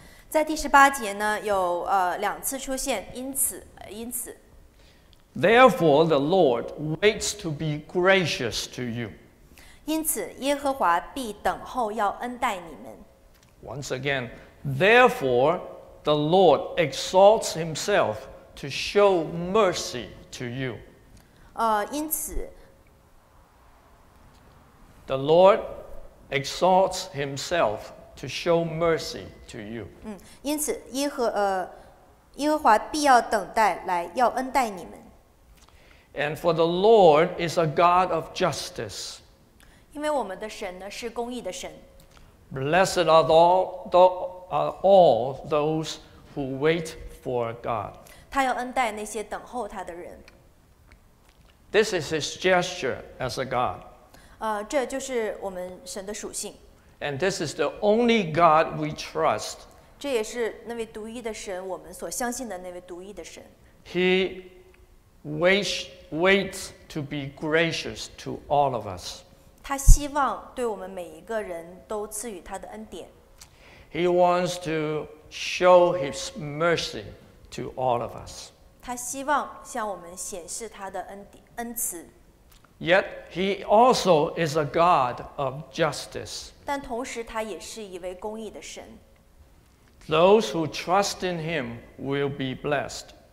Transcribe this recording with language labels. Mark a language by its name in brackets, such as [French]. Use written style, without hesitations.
[Chinese] 在第十八节呢，有两次出现因此。 [English] Therefore, the Lord waits to be gracious to you. [Chinese] 因此，耶和华必等候要恩待你们。 [English] Once again, therefore, the Lord exalts himself to show mercy to you. [Chinese] 因此 [English] ，The Lord exalts himself to show mercy to you. [Chinese] 因此，耶和华必要等待来要恩待你们。 [English] And for the Lord is a God of justice. [Chinese] 因为我们的神呢是公义的神。 [English] Blessed are all those who wait for God. [Chinese] 他要恩待那些等候他的人。 [English] This is his gesture as a God. [Chinese] 这就是我们神的属性。 [English] And this is the only God we trust. [Chinese] 这也是那位独一的神，我们所相信的那位独一的神。 [English] He waits to be gracious to all of us. [Chinese] 他希望对我们每一个人都赐予他的恩典。 [English] He wants to show his mercy to all of us. [Chinese] 他希望向我们显示他的恩慈。 [English] Yet he also is a God of justice. [Chinese] 但同时他也是一位公义的神。 [English] Those who trust in him will be blessed.